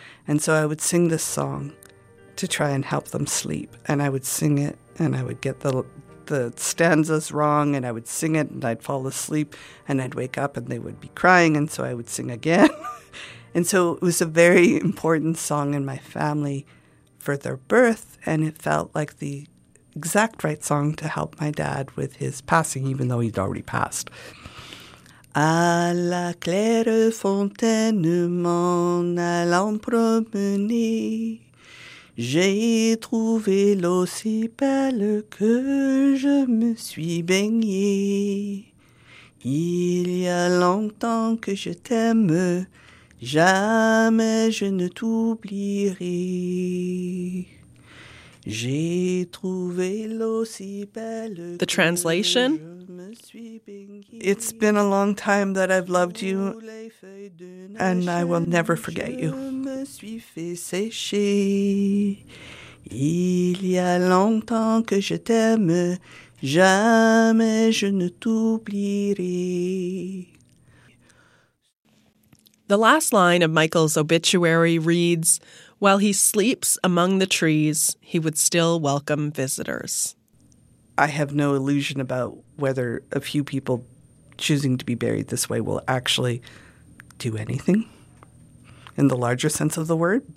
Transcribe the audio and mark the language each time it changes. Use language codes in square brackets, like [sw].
[en] And so I would sing this song to try and help them sleep, and I would sing it, and I would get the stanzas wrong, and I would sing it, and I'd fall asleep, and I'd wake up, and they would be crying, and so I would sing again. And so it was a very important song in my family for their birth, and it felt like the exact right song to help my dad with his passing, even though he'd already passed. [fr] À la claire fontaine, m'en allant promener, j'ai trouvé l'eau si belle que je me suis baigné. Il y a longtemps que je t'aime, jamais je ne t'oublierai. J'ai trouvé l'eau si belle. [en] The translation? It's been a long time that I've loved you, and I will never forget you. [fr] Je me suis fait sécher. Il y a longtemps que je t'aime, jamais je ne t'oublierai. [en] The last line of Michael's obituary reads, while he sleeps among the trees, he would still welcome visitors. I have no illusion about whether a few people choosing to be buried this way will actually do anything in the larger sense of the word.